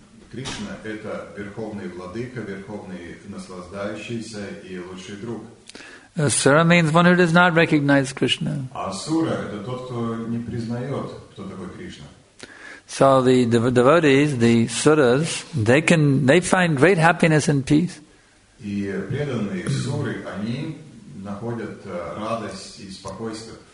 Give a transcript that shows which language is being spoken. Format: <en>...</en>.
<ru>Кришна – это верховный владыка, верховный наслаждающийся и лучший друг.</ru> <en>Asura means one who does not recognize Krishna.</en> <ru>Асура – это тот, кто не признает, кто такой Кришна.</ru> <en>So the devotees, the suras, they find great happiness and peace.</en> <ru>И преданные суры, они находят радость и спокойствие.</ru>